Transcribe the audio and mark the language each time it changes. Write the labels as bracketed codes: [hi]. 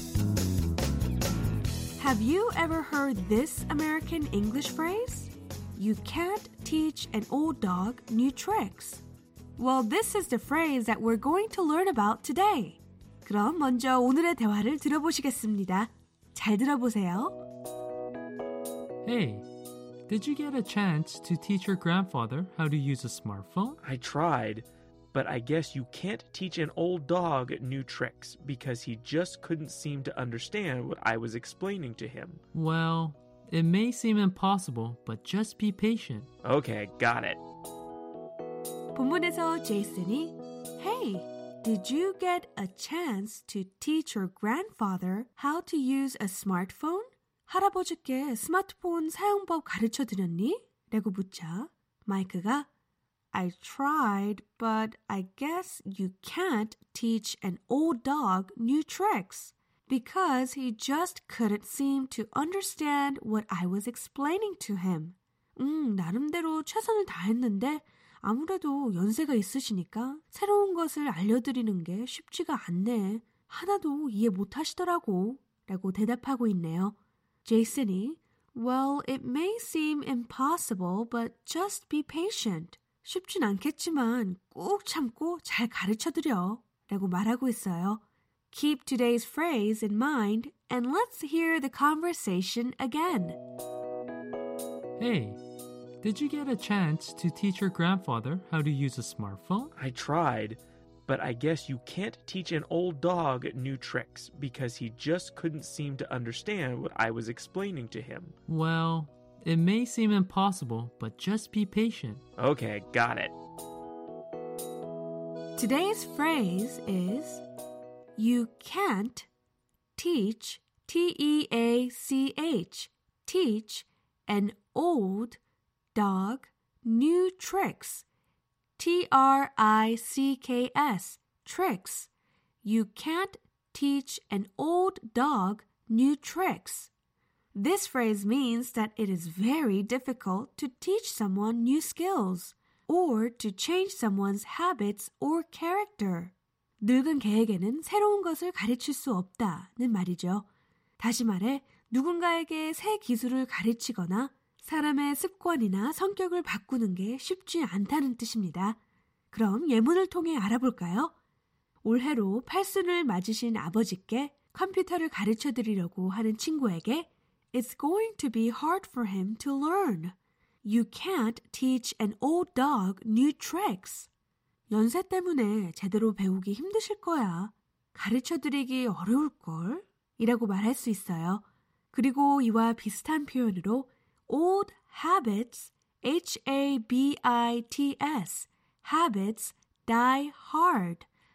[ko] 입니다. [en] Have you ever heard this American English phrase? You can't teach an old dog new tricks. Well, this is the phrase that we're going to learn about today. [ko] 그럼 먼저 오늘의 대화를 들어보시겠습니다. 잘 들어보세요. [en] Hey, did you get a chance to teach your grandfather how to use a smartphone? I tried, but I guess you can't teach an old dog new tricks because he just couldn't seem to understand what I was explaining to him. Well... It may seem impossible, but just be patient. Okay, got it. [ko] 본문에서 제이슨이 [en] Hey, did you get a chance to teach your grandfather how to use a smartphone? [ko] 할아버지께 스마트폰 사용법 가르쳐 드렸니? 라고 묻자 마이크가 [en] I tried, but I guess you can't teach an old dog new tricks. Because he just couldn't seem to understand what I was explaining to him. [ko] 나름대로 최선을 다했는데 아무래도 연세가 있으시니까 새로운 것을 알려드리는 게 쉽지가 않네. 하나도 이해 못하시더라고. 라고 대답하고 있네요. [en] 제이슨이 Well, it may seem impossible, but just be patient. [ko] 쉽진 않겠지만 꼭 참고 잘 가르쳐드려. 라고 말하고 있어요. [en] Keep today's phrase in mind, and let's hear the conversation again. Hey, did you get a chance to teach your grandfather how to use a smartphone? I tried, but I guess you can't teach an old dog new tricks because he just couldn't seem to understand what I was explaining to him. Well, it may seem impossible, but just be patient. Okay, got it. Today's phrase is... You can't teach, T-E-A-C-H, teach an old dog new tricks, T-R-I-C-K-S, tricks. You can't teach an old dog new tricks. This phrase means that it is very difficult to teach someone new skills or to change someone's habits or character. [ko] 늙은 개에게는 새로운 것을 가르칠 수 없다는 말이죠. 다시 말해, 누군가에게 새 기술을 가르치거나 사람의 습관이나 성격을 바꾸는 게 쉽지 않다는 뜻입니다. 그럼 예문을 통해 알아볼까요? 올해로 팔순을 맞으신 아버지께 컴퓨터를 가르쳐드리려고 하는 친구에게 [en] It's going to be hard for him to learn. You can't teach an old dog new tricks. [ko] 연세 때문에 제대로 배우기 힘드실 거야. 가르쳐드리기 어려울걸? 이라고 말할 수 있어요. 그리고 이와 비슷한 표현으로 [en] old habits, H-A-B-I-T-S, habits die hard.